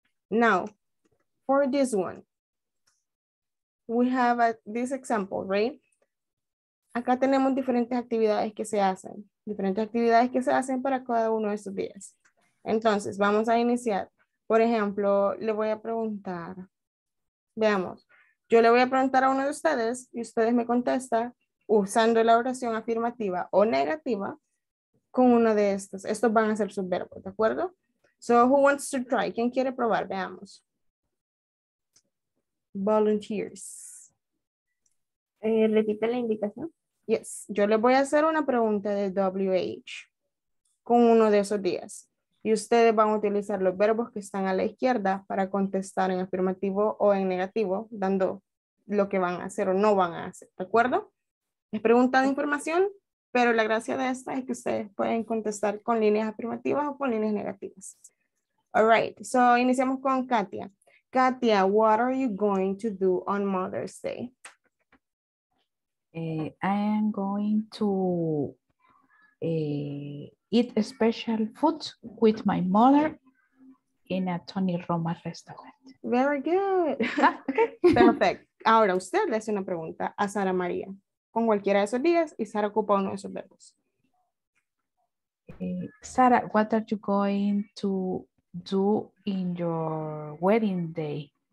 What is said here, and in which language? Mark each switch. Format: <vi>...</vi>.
<en>Now, for this one, we have this example, right?</en> <es>Acá tenemos diferentes actividades que se hacen. Diferentes actividades que se hacen para cada uno de estos días. Entonces, vamos a iniciar. Por ejemplo, le voy a preguntar. Veamos. Yo le voy a preguntar a uno de ustedes y ustedes me contestan usando la oración afirmativa o negativa con uno de estos. Estos van a ser sus verbos, ¿de acuerdo?</es> <en>So, who wants to try?</en> <es>¿Quién quiere probar? Veamos.</es> <en>Volunteers.</en> <es>Repite la indicación.</es> <en>Yes.</en> <es>Yo le voy a hacer una pregunta de WH con uno de esos días. Y ustedes van a utilizar los verbos que están a la izquierda para contestar en afirmativo o en negativo, dando lo que van a hacer o no van a hacer. ¿De acuerdo? Es pregunta de información. Pero la gracia de esta es que ustedes pueden contestar con líneas afirmativas o con líneas negativas.</es> <en>All right, so</en> <es>iniciamos con</es> <en>Katia. Katia, what are you going to do on Mother's Day? I am going to eat special food with my mother in a Tony Roma restaurant. Very good. Perfect.</en> <es>Ahora usted le hace una pregunta a Sara María. Con cualquiera de esos días y Sara ocupa uno de esos verbos.</es> <en>Sara, what are you going to do in your wedding day?</en>